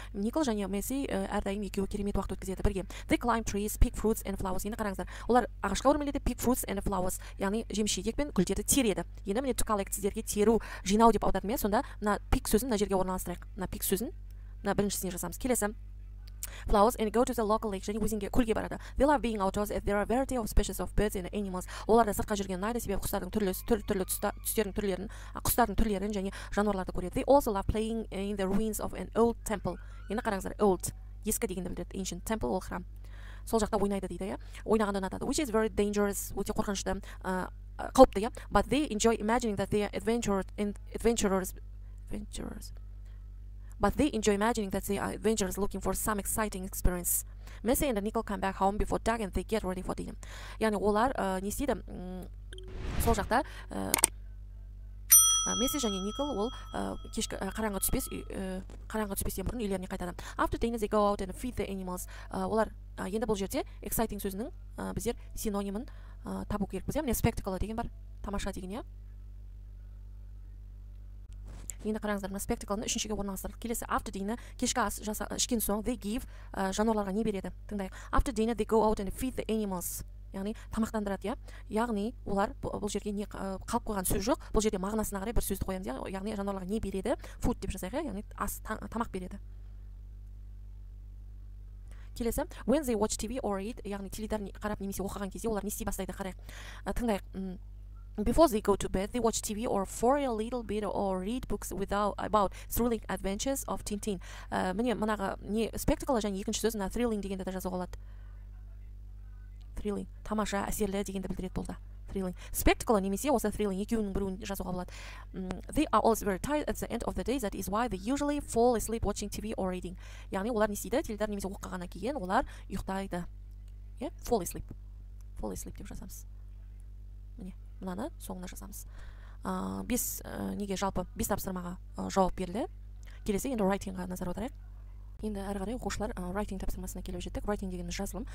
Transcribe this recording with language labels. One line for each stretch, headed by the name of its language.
Kazakh: Nicole және Maisie әрдайым екеуі керемет уақыт өткізеді бірге.
English: They climb trees, pick fruits and flowers.
Kazakh: Енді қараңыздар. Олар ағашқа өрмелейді,
English: pick fruits and flowers.
Kazakh: Яғни жеміс-жидек пен гүлдерді тереді. Енді міне
English: to collect
Kazakh: сіздерге теру, жинау деп аудардым, иә. Сонда мына pick сөзін мына жерге орналастырайық. Мына pick сөзін мына біріншісіне жазамыз. Келесі.
English: Flowers and go to the local lake.
Kazakh: Және өзенге, көлге барады.
English: They love being outdoors as there are variety of species of birds and animals.
Kazakh: Оларды сыртқа жүрген ұнайды, себебі құстардың түрлі түстерінің түрлерін, құстардың түрлерін және жануарларды көреді.
English: They also love playing in the ruins of an old temple.
Kazakh: Енді қараңыздар, old ескі дегенді білдіреді.
English: Ancient temple,
Kazakh: ол храм. Сол жақта ойнайды дейді, иә. Ойнағанды ұнатады.
English: Which is very dangerous.
Kazakh: Өте қорқынышты. Қауіпті, иә.
English: But they enjoy imagining that they are adventurers. But they enjoy imagining that they are adventurers looking for some exciting experience. Maisie and Nicole come back home before dark and they get ready for dinner.
Kazakh: Яғни олар не істейді? Сол жақта Maisie және Nicole ол кешкі қараңғы түспестен бұрын үйлеріне қайтады.
English: After dinner they go out and feed the animals.
Kazakh: Олар енді бұл жерде exciting сөзінің біздер синонимін табу керекпіз, иә. Мына spectacle деген бар, тамаша деген, иә. енді қараңыздар, мына спектаклды 3-ге орналастырдық. Келесі
English: after dinner,
Kazakh: кешкі ас ішкен соң
English: they give
Kazakh: жануарларға не береді? Тыңдайық.
English: After dinner they go out and feed the animals.
Kazakh: Яғни тамақтандырады, яғни олар бұл жерге не қалып қойған сөз жоқ, бұл жерде мағынасына қарай бір сөзді қоямыз, яғни жануарларға не береді, food деп жазайық, яғни ас, тамақ береді. Келесі,
English: when they watch TV or eat,
Kazakh: яғни теледидарын қарап немесе оқыған кезде олар не істей бастайды, қарайық, тыңдайық.
English: Before they go to bed, they watch TV or for a little bit or read books without about thrilling adventures of Tintin.
Kazakh: Міне, мынаға не спектакль және екінші сөз, мына thrilling дегенді де жазуға болады. Thrilling, тамаша, әсерлі дегенді білдіреді болды.
English: Thrilling.
Kazakh: Spectacle немесе осы thrilling екеуінің біреуін жазуға болады.
English: They are always very tired at the end of the day. That is why they usually fall asleep watching TV or reading.
Kazakh: Яғни олар не істейді? Теледидар немесе оқығаннан кейін олар ұйықтайды.
English: Yeah? Fall asleep. Fall asleep
Kazakh: деп жазамыз. Міне, мынаны соңына жазамыз. Бес неге жалпы бес тапсырмаға жауап берілді. Келесі енді writing-ға назар аударайық. Енді әрі қарай оқушылар writing тапсырмасына келіп жеттік. Writing дегеніміз жазылым.